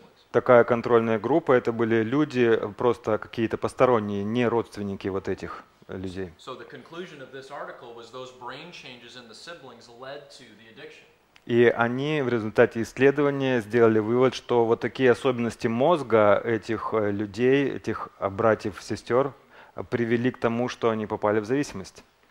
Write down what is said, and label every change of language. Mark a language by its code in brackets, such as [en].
[ru] Такая контрольная группа — это были люди, просто какие-то посторонние, не родственники вот этих людей. [en] So the conclusion of this article was those brain changes in the siblings led to the addiction. [ru] И они в результате исследования сделали вывод, что вот такие особенности мозга этих людей, этих братьев, сестер, привели к тому, что они попали в зависимость.